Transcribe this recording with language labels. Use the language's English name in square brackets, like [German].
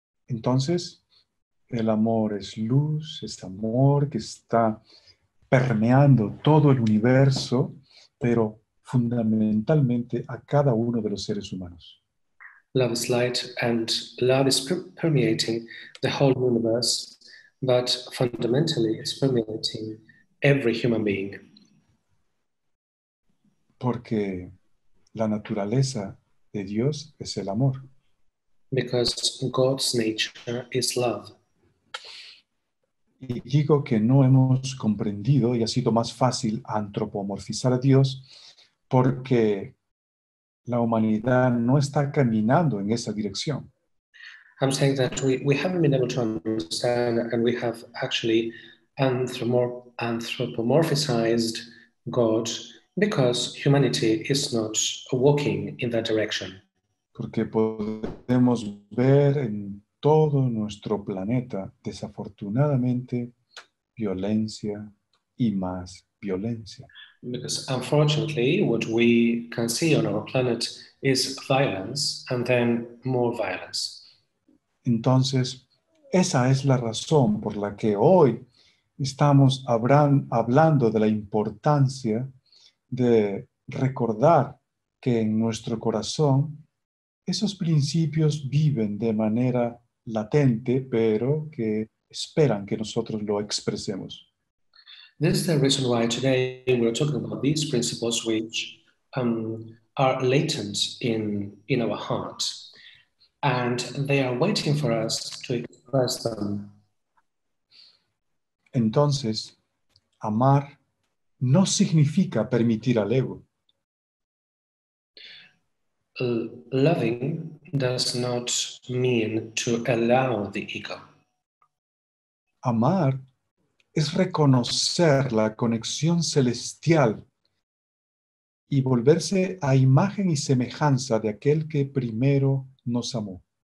[Spanish] Entonces, el amor es luz, es amor que está permeando todo el universo, pero fundamentalmente a cada uno de los seres humanos. [English] Love is light, and love is permeating the whole universe, but fundamentally it's permeating every human being. [Spanish] Porque la naturaleza de Dios es el amor. [English] Because God's nature is love. [Spanish] Y digo que no hemos comprendido y ha sido más fácil antropomorfizar a Dios porque la humanidad no está caminando en esa dirección. [English] I'm saying that we haven't been able to understand, and we have actually anthropomorphized God because humanity is not walking in that direction. [Spanish] Porque podemos ver en todo nuestro planeta, desafortunadamente, violencia y más violencia. [English] Because unfortunately, what we can see on our planet is violence and then more violence. [Spanish] Entonces, esa es la razón por la que hoy estamos hablando de la importancia de recordar que en nuestro corazón esos principios viven de manera latente, pero que esperan que nosotros lo expresemos. [English] This is the reason why today we're talking about these principles which are latent in our hearts, and they are waiting for us to express them. [Spanish] Entonces, amar no significa permitir al ego. [English] Loving does not mean to allow the ego. [Spanish] Amar es reconocer la conexión celestial y volverse a imagen y semejanza de aquel que primero nos amó.